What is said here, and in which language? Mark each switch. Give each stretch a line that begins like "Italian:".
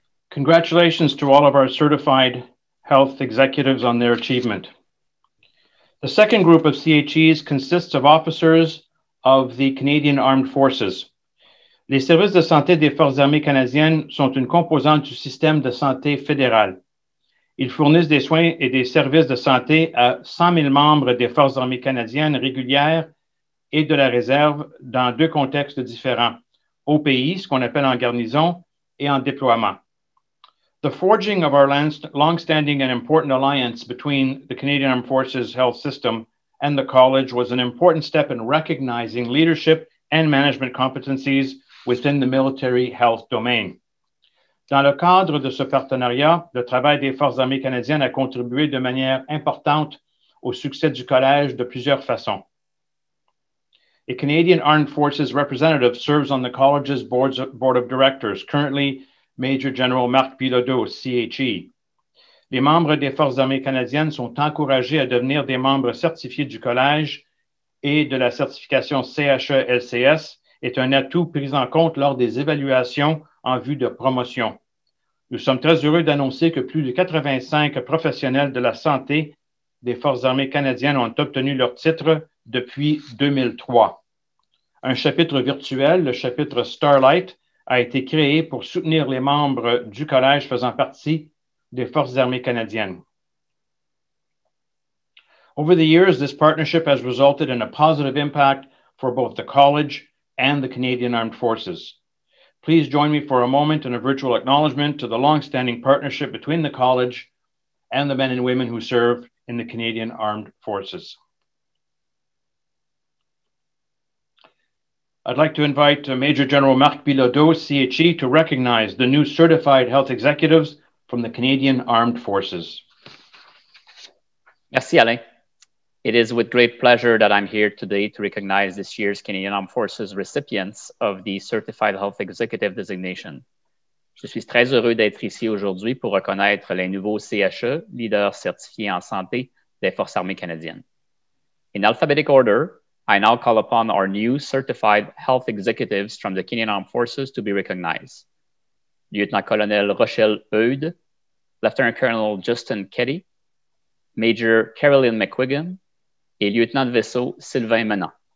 English: Congratulations to all of our certified health executives on their achievement. The second group of CHEs consists of officers of the Canadian Armed Forces.
French: Les services de santé des Forces armées canadiennes sont une composante du système de santé fédéral. Ils fournissent des soins et des services de santé à 100 000 membres des Forces armées canadiennes régulières et de la réserve dans deux contextes différents, au pays, ce qu'on appelle en garnison, et en déploiement.
English: The forging of our long-standing and important alliance between the Canadian Armed Forces Health System and the College was an important step in recognizing leadership and management competencies within the military health domain.
French: Dans le cadre de ce partenariat, le travail des Forces armées canadiennes a contribué de manière importante au succès du Collège de plusieurs façons.
English: A Canadian Armed Forces representative serves on the College's board of directors, currently Major General Marc Bilodeau, CHE.
French: Les membres des Forces armées canadiennes sont encouragés à devenir des membres certifiés du Collège et de la certification CHE-LCS est un atout pris en compte lors des évaluations en vue de promotion. Nous sommes très heureux d'annoncer que plus de 85 professionnels de la santé des Forces armées canadiennes ont obtenu leur titre depuis 2003. Un chapitre virtuel, le chapitre Starlight, a été créé pour soutenir les membres du Collège faisant partie des Forces armées canadiennes.
English: Over the years, this partnership has resulted in a positive impact for both the College and the Canadian Armed Forces. Please join me for a moment in a virtual acknowledgement to the long-standing partnership between the College and the men and women who serve in the Canadian Armed Forces. I'd like to invite Major General Marc Bilodeau, CHE, to recognize the new certified health executives from the Canadian Armed Forces.
French: Merci, Alain.
English: It is with great pleasure that I'm here today to recognize this year's Canadian Armed Forces recipients of the Certified Health Executive designation.
French: Je suis très heureux d'être ici aujourd'hui pour reconnaître les nouveaux CHE, leaders certifiés en santé des Forces armées canadiennes.
English: In alphabetic order, I now call upon our new certified health executives from the Canadian Armed Forces to be recognized. Lieutenant Colonel Rochelle Eude, Lieutenant Colonel Justin Keddy, Major Carolyn McQuiggan, and Lieutenant Vaisseau Sylvain Menon.